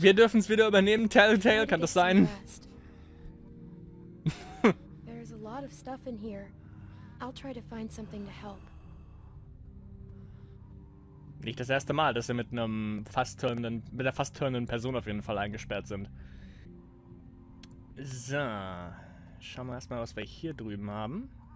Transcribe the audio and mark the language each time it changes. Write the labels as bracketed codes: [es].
[de] Wir dürfen's wieder übernehmen, Telltale, kann das sein? [en] There's a lot of stuff in here. I'll try to find something to help. [de] Nicht das erste Mal, dass wir mit einem fast turnenden Person auf jeden Fall eingesperrt sind. So, schauen wir erstmal, was wir hier drüben haben.